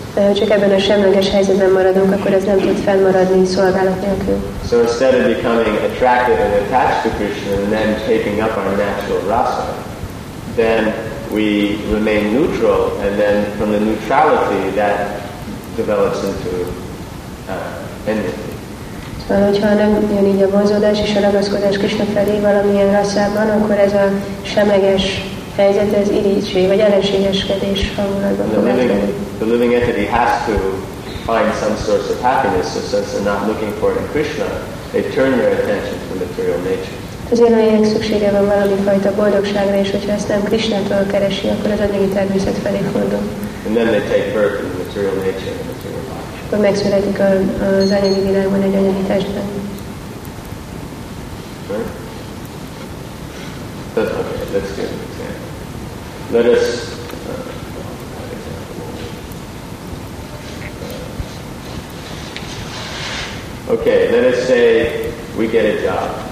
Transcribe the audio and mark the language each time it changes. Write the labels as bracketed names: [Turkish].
[English] So instead of becoming attracted and attached to Krishna and then taking up our natural rasa, then we remain neutral, and then from the neutrality that develops into enmity. [Hungarian] So, hogyha nem jön így a vonzódás és a ragaszkodás Krishna felé valamilyen rasszában, akkor ez a semleges helyzet, ez irítség, vagy ellenségeskedés hangulatban következik. [English] The living entity has to find some source of happiness, so since they're not looking for it in Krishna, they turn their attention to material nature. [Hungarian] Az élőjének szüksége van valami fajta boldogságra, és hogyha ezt nem Krisnától keresi, akkor az anyagi természet felé fordul. [English] And then they take birth in the material nature and material life. [Hungarian] Akkor megszületik az anyagi világban egy anyagi testben. [English] That's okay, let's give an example. Let us okay, let us say we get a job.